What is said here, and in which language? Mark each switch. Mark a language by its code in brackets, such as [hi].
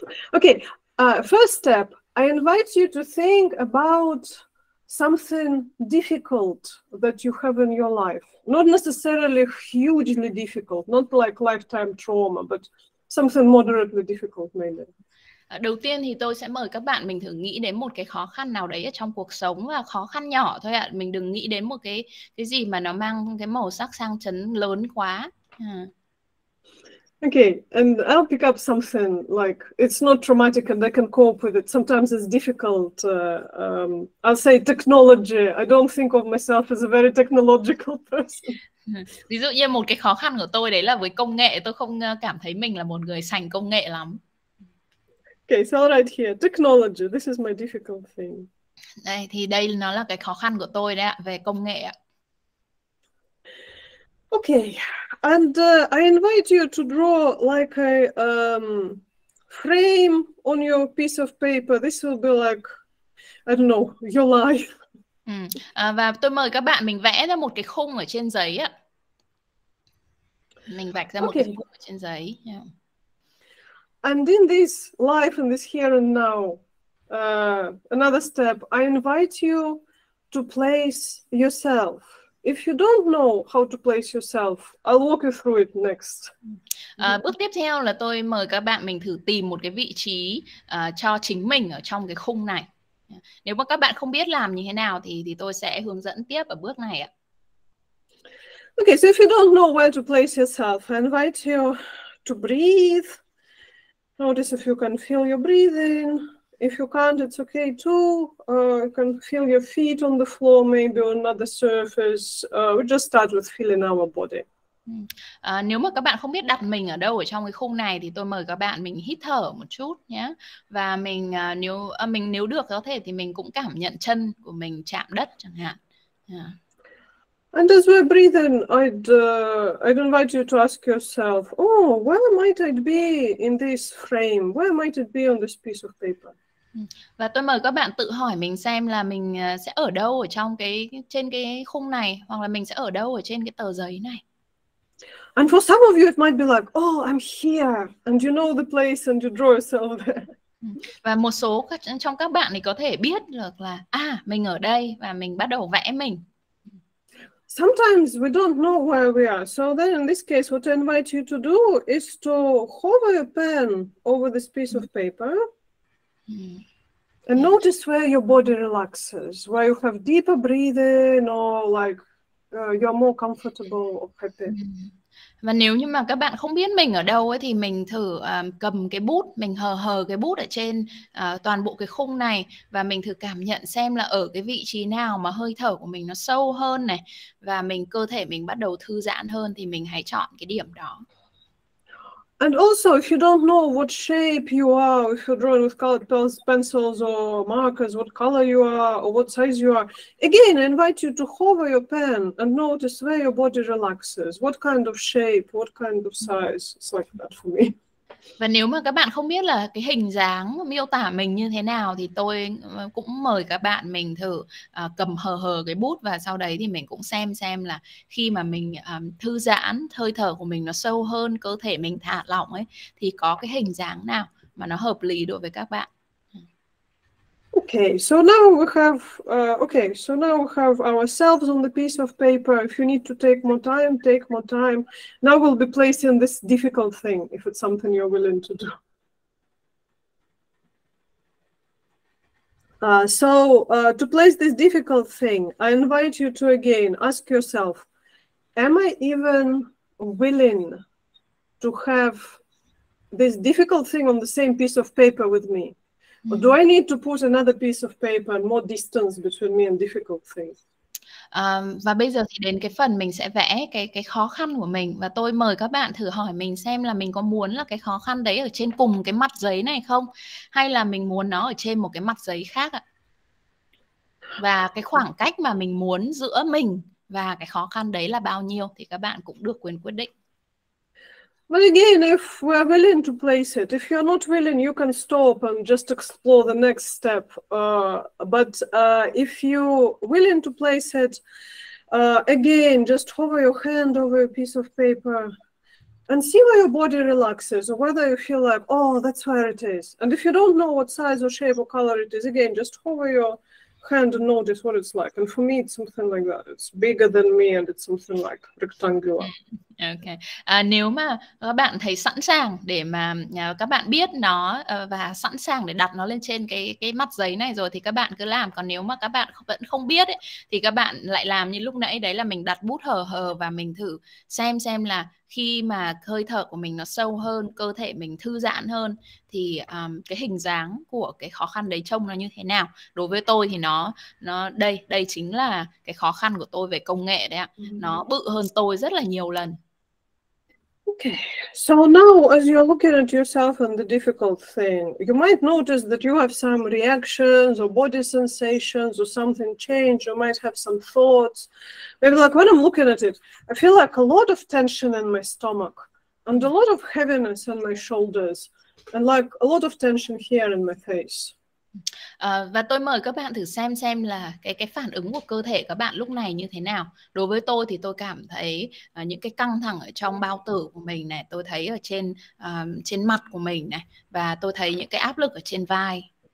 [en] Okay, first step, I invite you to think about something difficult that you have in your life. Not necessarily hugely difficult, not like lifetime trauma, but something moderately difficult maybe. [vi] Đầu tiên thì tôi sẽ mời các bạn mình thử nghĩ đến một cái khó khăn nào đấy ở trong cuộc sống và khó khăn nhỏ thôi ạ. Mình đừng nghĩ đến một cái gì mà nó mang cái màu sắc sang chấn lớn quá. [en] Okay, and I'll pick up something like it's not traumatic and I can cope with it. Sometimes it's difficult. I'll say technology. I don't think of myself as a very technological person. [vi] Ví dụ như một cái khó khăn của tôi đấy là với công nghệ, tôi không cảm thấy mình là một người sành công nghệ lắm. [en] Okay, so I'll write here technology. This is my difficult thing. [vi] Đây thì đây nó là cái khó khăn của tôi đấy ạ, về công nghệ ạ. [en] Okay. And I invite you to draw like a frame on your piece of paper. This will be like, I don't know, your life. [vi] Và tôi mời các bạn mình vẽ ra một cái khung ở trên giấy ạ. Mình vạch ra một cái khung ở trên giấy. [en] Yeah. And in this life, in this here and now, another step, I invite you to place yourself. If you don't know how to place yourself, I'll walk you through it next. [vi] Bước tiếp theo là tôi mời các bạn mình thử tìm một cái vị trí cho chính mình ở trong cái khung này. Nếu mà các bạn không biết làm như thế nào thì tôi sẽ hướng dẫn tiếp ở bước này ạ. [en] Okay, so if you don't know where to place yourself, I invite you to breathe. Notice if you can feel your breathing. If you can't, it's okay too. You can feel your feet on the floor, maybe on another surface. We just start with feeling our body. [vi] À, nếu mà các bạn không biết đặt mình ở đâu ở trong cái khung này thì tôi mời các bạn mình hít thở một chút nhé. Và mình nếu được có thể thì mình cũng cảm nhận chân của mình chạm đất chẳng hạn. [en] And as we're breathing, I'd invite you to ask yourself, oh, where might I be in this frame? Where might it be on this piece of paper? [vi] Và tôi mời các bạn tự hỏi mình xem là mình sẽ ở đâu ở trong cái trên cái khung này hoặc là mình sẽ ở đâu ở trên cái tờ giấy này. [en] And for some of you, it might be like, oh, I'm here, and you know the place, and you draw yourself there. [vi] Và một số trong các bạn thì có thể biết được là à mình ở đây và mình bắt đầu vẽ mình. [en] Sometimes we don't know where we are. So then in this case, what I invite you to do is to hover your pen over this piece of paper and notice where your body relaxes, where you have deeper breathing or like you're more comfortable or happy. [vi] Và nếu như mà các bạn không biết mình ở đâu ấy thì mình thử cầm cái bút, mình hờ hờ cái bút ở trên toàn bộ cái khung này và mình thử cảm nhận xem là ở cái vị trí nào mà hơi thở của mình nó sâu hơn này và mình cơ thể mình bắt đầu thư giãn hơn thì mình hãy chọn cái điểm đó. [en] And also, if you don't know what shape you are, if you're drawing with colored pencils or markers, what color you are, or what size you are, again, I invite you to hover your pen and notice where your body relaxes, what kind of shape, what kind of size. It's like that for me. [vi] Và nếu mà các bạn không biết là cái hình dáng miêu tả mình như thế nào thì tôi cũng mời các bạn mình thử cầm hờ hờ cái bút và sau đấy thì mình cũng xem là khi mà mình thư giãn, hơi thở của mình nó sâu hơn, cơ thể mình thả lỏng ấy thì có cái hình dáng nào mà nó hợp lý đối với các bạn. [en] Okay, so now we have ourselves on the piece of paper. If you need to take more time, take more time. Now we'll be placing this difficult thing if it's something you're willing to do. To place this difficult thing, I invite you to again ask yourself, am I even willing to have this difficult thing on the same piece of paper with me? Or do I need to put another piece of paper and more distance between me and difficult things? [vi] Và bây giờ thì đến cái phần mình sẽ vẽ cái khó khăn của mình và tôi mời các bạn thử hỏi mình xem là mình có muốn là cái khó khăn đấy ở trên cùng cái mặt giấy này không hay là mình muốn nó ở trên một cái mặt giấy khác ạ. Và cái khoảng cách mà mình muốn giữa mình và cái khó khăn đấy là bao nhiêu thì các bạn cũng được quyền quyết định. [en] But again, if we're willing to place it, if you're not willing, you can stop and just explore the next step. But if you're willing to place it, again, just hover your hand over a piece of paper and see where your body relaxes or whether you feel like, oh, that's where it is. And if you don't know what size or shape or color it is, again, just hover your hand and notice what it's like. And for me, it's something like that. It's bigger than me and it's something like rectangular. [vi] Ok, nếu mà các bạn thấy sẵn sàng để mà các bạn biết nó và sẵn sàng để đặt nó lên trên cái mặt giấy này rồi thì các bạn cứ làm. Còn nếu mà các bạn vẫn không biết ấy, thì các bạn lại làm như lúc nãy. Đấy là mình đặt bút hờ hờ và mình thử xem là khi mà hơi thở của mình nó sâu hơn, cơ thể mình thư giãn hơn thì cái hình dáng của cái khó khăn đấy trông nó như thế nào. Đối với tôi thì nó đây, đây chính là cái khó khăn của tôi về công nghệ đấy ạ. Nó bự hơn tôi rất là nhiều lần. [en] Okay, so now as you're looking at yourself and the difficult thing, you might notice that you have some reactions or body sensations or something changed. You might have some thoughts. Maybe like when I'm looking at it, I feel like a lot of tension in my stomach and a lot of heaviness in my shoulders and like a lot of tension here in my face. [vi] Và tôi mời các bạn thử xem là cái phản ứng của cơ thể các bạn lúc này như thế nào. Đối với tôi thì tôi cảm thấy những cái căng thẳng ở trong bao tử của mình này, tôi thấy ở trên trên mặt của mình này và tôi thấy những cái áp lực ở trên vai.